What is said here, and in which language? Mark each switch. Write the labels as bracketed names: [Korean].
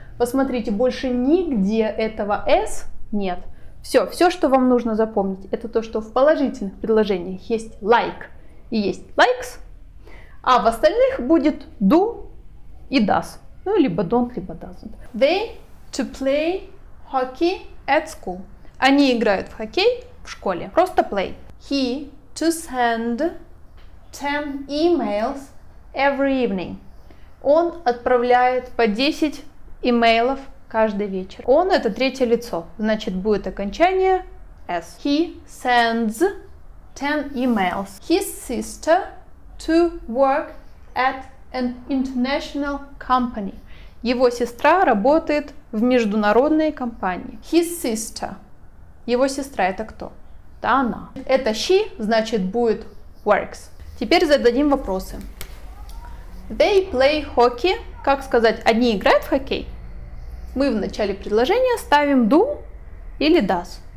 [Russian] Посмотрите, больше нигде этого s нет. Все, что вам нужно запомнить, это то, что в положительных предложениях есть like и есть likes. А в остальных будет do и does. Ну, либо don't, либо doesn't. [English] They to play hockey at school. [Russian] Они играют в хоккей в школе. Просто play. [English] He to send 10 emails every evening. [Russian] Он отправляет по 10 имейлов каждый вечер. Он — это третье лицо. Значит, будет окончание s. [English] He sends 10 emails. His sister to work at an international company. [Russian] Его сестра работает в международной компании. His sister. Его сестра — это кто? Да, она. Это she, значит, будет works. Теперь зададим вопросы. [English] They play hockey. [Russian] Как сказать, они играют в хоккей? Мы в начале предложения ставим do или does.